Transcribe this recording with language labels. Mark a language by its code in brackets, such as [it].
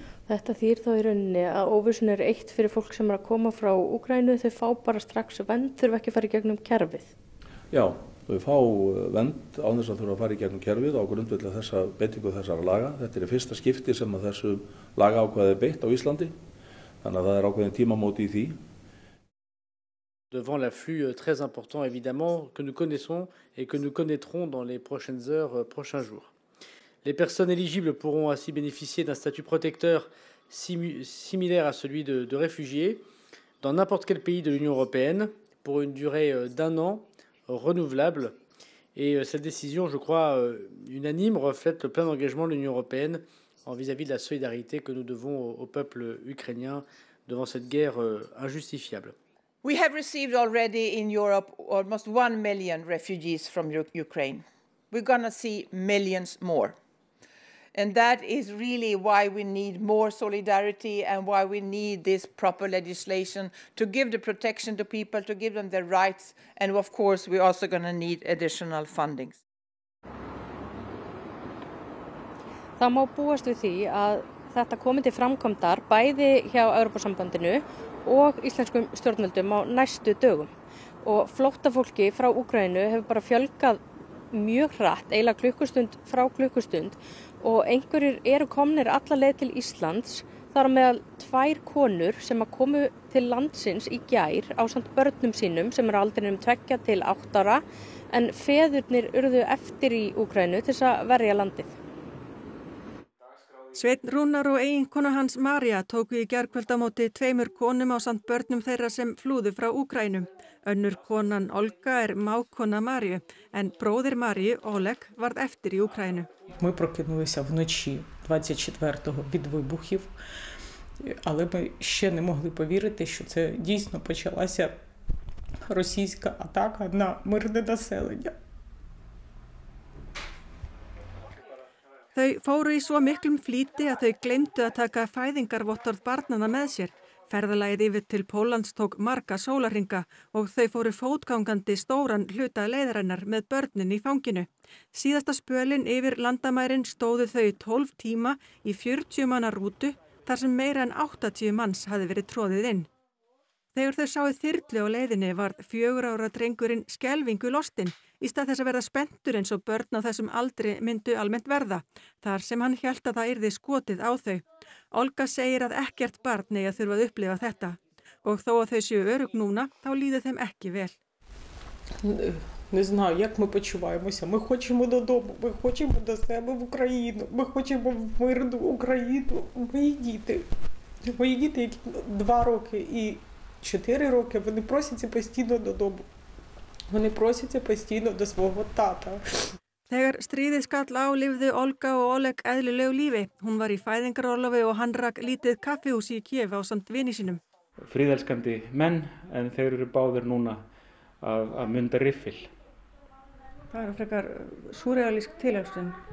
[is] Þetta þýr þá í rauninni að óvissun er eitt fyrir fólk sem að koma frá Úkraínu, þau fá bara strax vend, þurfa ekki að fara í gegnum kerfið. Já, þau fá vend án þess að þurfa að fara í gegnum kerfið á grundvelli þessa beitingu þessara laga. Þetta er fyrsta skipti sem að þessu laga ákvæði beitt á Íslandi, þannig að það er ákvæðin tímamóti í því. [fr] Devant l'afflux très important évidemment que nous connaissons et que nous connaîtrons dans les prochaines heures, prochains jours. Les personnes éligibles pourront ainsi bénéficier d'un statut protecteur similaire à celui de réfugiés dans n'importe quel pays de l'Union européenne pour une durée d'un an renouvelable. Et cette décision, je crois, unanime, reflète le plein engagement de l'Union européenne en vis-à-vis de la solidarité que nous devons au peuple ukrainien devant cette guerre injustifiable. [en] We have received already in Europe almost 1 million refugees from Ukraine. We're going to see millions more. And that is really why we need more solidarity and why we need this proper legislation to give the protection to people, to give them their rights. And of course, we're also going to need additional funding. [is] Það má búast við því að þetta komi til framkvæmdar bæði hjá Evrópusambandinu og íslenskum stjórnvöldum á næstu dögum. Og flóttafólki frá Úkraínu hefur bara fjölgað mjög hratt, eiginlega klukkustund frá klukkustund og einhverjir eru komnir alla leið til Íslands þar með tvær konur sem að komu til landsins í gær ásamt börnum sínum sem eru aldrinum 2 til 8 ára en feðurnir urðu eftir í Úkraínu til þess að verja landið. Sveinn Rúnar og eiginkona hans María tóku í gærkvöld á móti 2 konum ásamt börnum þeirra sem flúðu frá Úkraínu. Önnur konan Olga er mágkona Maríu, en bróðir Maríu, Oleg, varð eftir í Úkraínu. [uk] Ми прокинулися вночі 24-го від вибухів, але ми ще не могли повірити, що це дійсно почалася російська атака на мирне населення. [is] Þau fóru í svo miklum flýti að þau gleymdu að taka fæðingarvottorð barnanna með sér. Ferðalagið yfir til Póllands tók marga sólarhringa og þau fóru fótgangandi stóran hluta leiðarinnar með börnin í fanginu. Síðasta spölin yfir landamærin stóðu þau 12 tíma í 40 manna rútu þar sem meira en 80 manns hafði verið troðið inn. Þegar þau sáu þyrlu á leiðinni varð 4 ára drengurinn skelfingu lostinn í stað þess að verða spenntur eins og börn á þessum aldri myndu almennt verða, þar sem hann hélt að það yrði skotið á þau. Olga segir að ekkert barn eigi að þurfa að upplifa þetta og þó að þau séu örugg núna, þá líðu þeim ekki vel. [uk] Не знаю, як ми почуваємося. Ми хочемо додому, ми хочемо до себе в Україну, ми хочемо в мирну Україну, мої діти, які 2 роки і 4 роки, вони просяться постійно додому. Вони просяться постійно до свого тата. [is] Þegar stríðið skall á lifðu Olga og Oleg eðlilegu lífi. Hún var í fæðingarorlofi og hann rak lítið kaffihús í Kiev á samt vini sínum. Friðelskandi menn, en þeir eru báðir núna að mynda riffil. Það eru frekar súrealísk tilhugsun.